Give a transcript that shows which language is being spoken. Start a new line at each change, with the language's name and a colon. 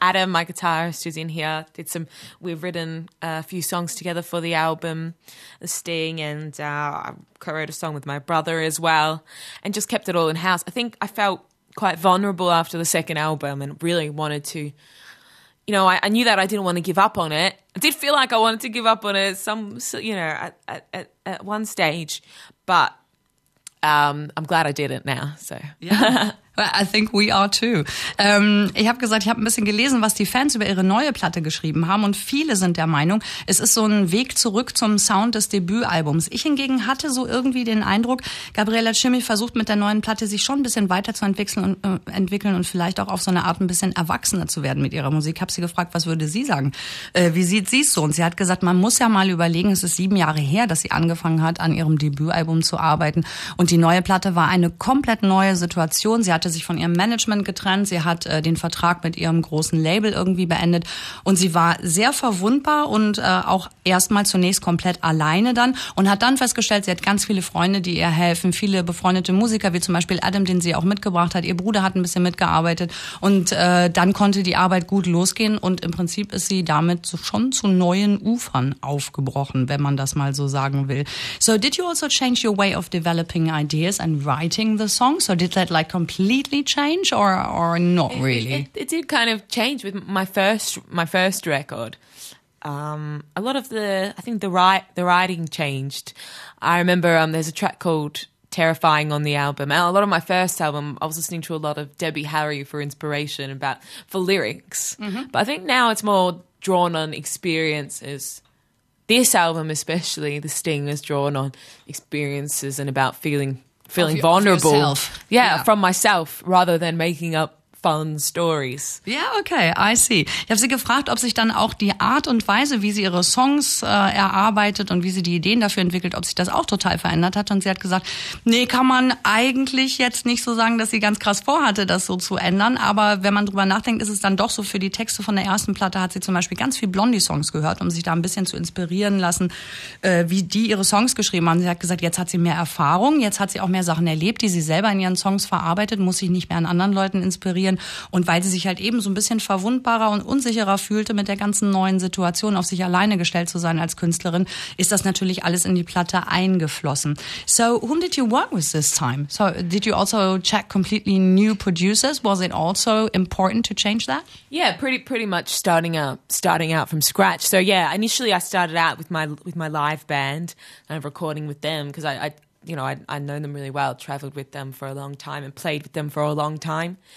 English: Adam, my guitarist, who's in here, did some. We've written a few songs together for the album, The Sting, and I co-wrote a song with my brother as well, and just kept it all in house. I think I felt quite vulnerable after the second album, and really wanted to. You know, I knew that I didn't want to give up on it. I did feel like I wanted to give up on it some, you know, at one stage, but I'm glad I did it now, so. Yeah, I think we are too.
German: Ich habe gesagt, ich habe ein bisschen gelesen, was die Fans über ihre neue Platte geschrieben haben und viele sind der Meinung, es ist so ein Weg zurück zum Sound des Debütalbums. Ich hingegen hatte so irgendwie den Eindruck, Gabriella Cilmi versucht mit der neuen Platte sich schon ein bisschen weiterzuentwickeln und entwickeln und vielleicht auch auf so eine Art ein bisschen erwachsener zu werden mit ihrer Musik. Ich habe sie gefragt, was würde sie sagen? Wie sieht sie es so? Und sie hat gesagt, man muss ja mal überlegen, es ist 7 Jahre her, dass sie angefangen hat, an ihrem Debütalbum zu arbeiten und die neue Platte war eine komplett neue Situation. Sie hat hatte sich von ihrem Management getrennt, sie hat den Vertrag mit ihrem großen Label irgendwie beendet und sie war sehr verwundbar und auch erstmal zunächst komplett alleine dann und hat dann festgestellt, sie hat ganz viele Freunde, die ihr helfen, viele befreundete Musiker, wie zum Beispiel Adam, den sie auch mitgebracht hat, ihr Bruder hat ein bisschen mitgearbeitet und dann konnte die Arbeit gut losgehen und im Prinzip ist sie damit schon zu neuen Ufern aufgebrochen, wenn man das mal so sagen will.
English: So did you also change your way of developing ideas and writing the song? So did that like completely change or not really? It did kind of change with my first record. A lot of the writing changed. I remember there's a track called Terrifying on the album. A lot of my first album, I was listening to a lot of Debbie Harry for inspiration for lyrics. Mm-hmm. But I think now it's more drawn on experiences. This album especially, The Sting, is drawn on experiences and about feeling vulnerable. Yeah, from myself, rather than making up fun stories. Yeah, okay, I see.
German: Ich habe sie gefragt, ob sich dann auch die Art und Weise, wie sie ihre Songs erarbeitet und wie sie die Ideen dafür entwickelt, ob sich das auch total verändert hat. Und sie hat gesagt, nee, kann man eigentlich jetzt nicht so sagen, dass sie ganz krass vorhatte, das so zu ändern. Aber wenn man drüber nachdenkt, ist es dann doch so, für die Texte von der ersten Platte hat sie zum Beispiel ganz viel Blondie-Songs gehört, um sich da ein bisschen zu inspirieren lassen, wie die ihre Songs geschrieben haben. Sie hat gesagt, jetzt hat sie mehr Erfahrung, jetzt hat sie auch mehr Sachen erlebt, die sie selber in ihren Songs verarbeitet, muss sich nicht mehr an anderen Leuten inspirieren. Und weil sie sich halt eben so ein bisschen verwundbarer und unsicherer fühlte mit der ganzen neuen Situation, auf sich alleine gestellt zu sein als Künstlerin, ist das natürlich alles in die Platte eingeflossen.
English: So, whom did you work with this time? So, did you also check completely new producers? Was it also important to change that? Yeah, pretty much starting out from scratch. So yeah, initially I started out with my live band and recording with them because I know them really well, traveled with them for a long time and played with them for a long time.